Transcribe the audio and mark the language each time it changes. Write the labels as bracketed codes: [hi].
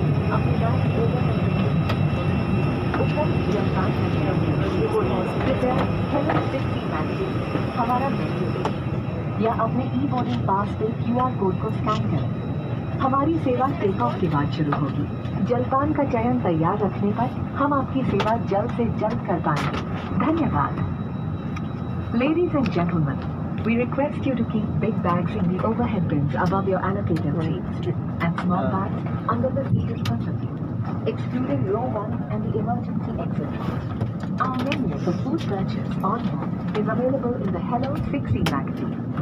[en] Up and down, over and over. Open your hands and your knees. With a holistic humanity, [hi] Hamara [en] menu. [hi] या अपने ई boarding pass पे QR code को scan करें। हमारी सेवा take off के बाद शुरू होगी। जलपान का चयन तैयार रखने पर हम आपकी सेवा जल्द से जल्द कर पाएंगे। धन्यवाद। [en] Ladies and gentlemen, we request you to keep big bags in the overhead bins above your allocated seats and small bags under the seat in front of you, excluding row 1 and the emergency exit. Our menu for food purchase on board is available in the Hello 6E magazine.